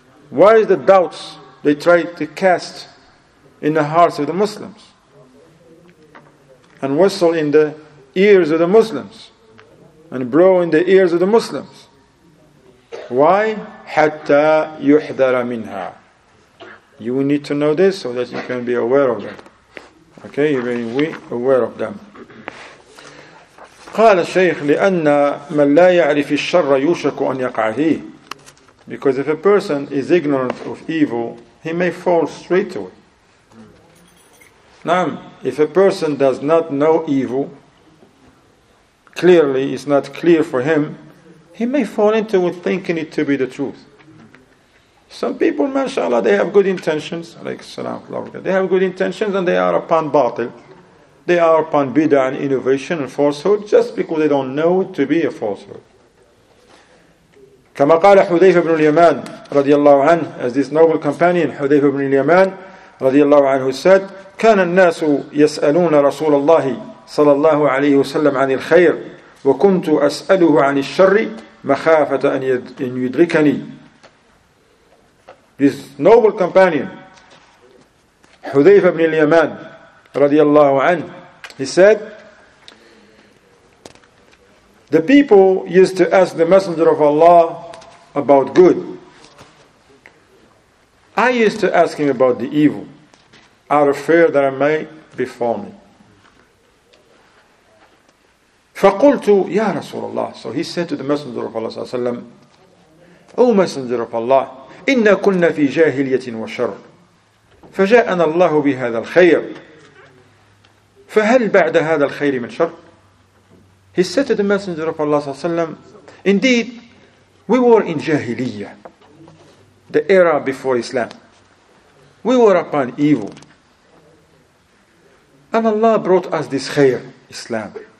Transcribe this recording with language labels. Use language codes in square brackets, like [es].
[en] What is the doubts they try to cast in the hearts of the Muslims and whistle in the ears of the Muslims and blow in the ears of the Muslims. Why? [ar] حَتَّى يُحْذَرَ مِنْهَا. [en] You will need to know this so that you can be aware of them. Okay, you will be aware of them. [ar] قال الشيخ لِأَنَّ مَنْ لَا يَعْرِفِ الشَّرَّ يُوشَكُ أَنْ يَقْعَهِ. [en] Because if a person is ignorant of evil, he may fall straight to it. Now, if a person does not know evil, clearly it's not clear for him, he may fall into it thinking it to be the truth. Some people, mashallah, they have good intentions, like salam, they have good intentions and they are upon batil. They are upon bid'ah and innovation and falsehood just because they don't know it to be a falsehood. [ar] كما قال حذيفة بن اليمان رضي الله عنه, [en] as this noble companion, [ar] حذيفة بن اليمان رضي الله عنه, said, كان الناس يسألون رسول الله صلى الله عليه وسلم عن الخير وكنت أسأله عن الشر مخافة أن يدركني. [en] This noble companion, حذيفة بن اليمان رضي الله عنه, he said, the people used to ask the Messenger of Allah about good. I used to ask him about the evil, out of fear that I may befall me. [ar] فَقُلْتُ يَا رَسُولَ اللَّهِ. [en] So he said to the Messenger of Allah, [ar] O Messenger of Allah, إِنَّا كُنَّ فِي جَاهِلِيَةٍ وَشَرٍ فَجَاءَنَا اللَّهُ بِهَذَا الْخَيْرِ فَهَلْ بَعْدَ هَذَا الْخَيْرِ مِنْ شَرٍ. [en] He said to the Messenger of Allah, indeed, we were in Jahiliyyah, the era before Islam. We were upon evil. And Allah brought us this khair, Islam.